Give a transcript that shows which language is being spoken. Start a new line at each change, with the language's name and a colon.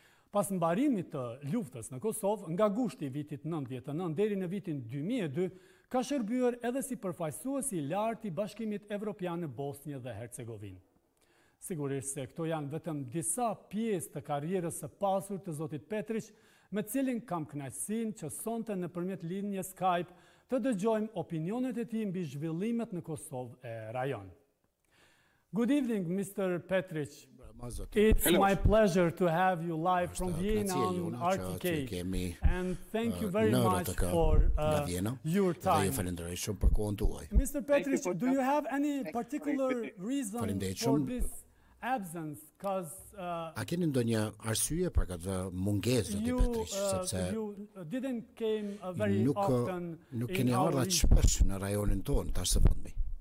Albanian: Pas mbarimit të luftës në Kosovë, nga gushti i vitit 99 deri në vitin 2002, ka shërbyer edhe si përfaqësuesi i lartë i Bashkimit Evropian në Bosnjë dhe Hercegovinë. Sigurisht se këto janë vetëm disa pjesë të karrierës së pasur të zotit Petritsch, me cilin kam kënaqësinë që sonte nëpërmjet linjës Skype të dëgjojmë opinionet e tij mbi zhvillimet në Kosovë e rajon.
English: Good evening, Mr. Petritsch. It's my pleasure to have you live from Vienna on RTK. And thank you very much for your time. Mr. Petritsch, do you have any particular reason for this absence?
Albanian: A keni ndonjë arsye për këtë mungesë, zoti Petritsch, sepse nuk keni ardhur aq shpesh në rajonin tonë, tash së fundmi.